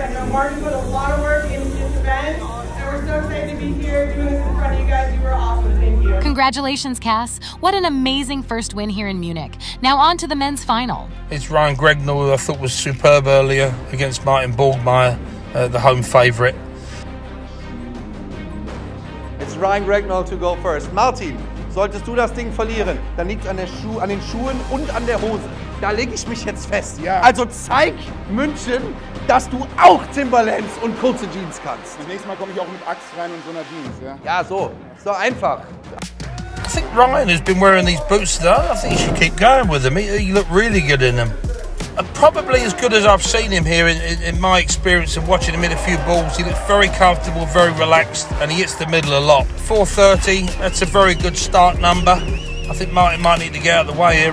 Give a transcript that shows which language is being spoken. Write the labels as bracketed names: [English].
[English] I know Martin put a lot of work into this event. And we're so excited to be here doing this in front of you guys. You were awesome. Thank you. Congratulations, Cass. What an amazing first win here in Munich. Now on to the men's final. It's Ryan Gregnell, who I thought was superb earlier against Martin Borgmeier, the home favorite. It's Ryan Gregnell to go first. Martin. [German] Solltest du das Ding verlieren, dann liegt es an den Schuhen und an der Hose. Da lege ich mich jetzt fest. Ja. Also zeig München, dass du auch Timberlands und kurze Jeans kannst. Das nächste Mal komme ich auch mit Axt rein und so einer Jeans. Ja, ja, so. So einfach. [English] I think Ryan has been wearing these boots though. I think you should keep going with them. He looked really good in them. Probably as good as I've seen him here in my experience of watching him hit a few balls. He looks very comfortable, very relaxed, and he hits the middle a lot. 430, that's a very good start number. I think Martin might need to get out of the way here.